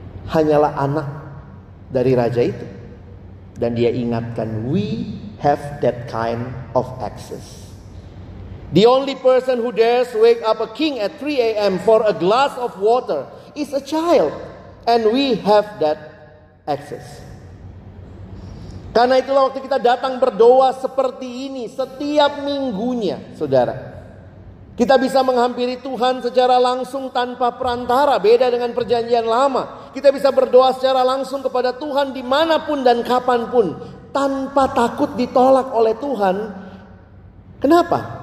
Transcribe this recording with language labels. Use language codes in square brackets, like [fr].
[id] Hanyalah anak dari raja itu. Dan dia ingatkan, [en] we have that kind of access. The only person who dares wake up a king at 3 a.m. for a glass of water is a child. And we have that access. [id] Karena itulah waktu kita datang berdoa seperti ini setiap minggunya, saudara. Kita bisa menghampiri Tuhan secara langsung tanpa perantara, beda dengan perjanjian lama. Kita bisa berdoa secara langsung kepada Tuhan dimanapun dan kapanpun, tanpa takut ditolak oleh Tuhan. Kenapa?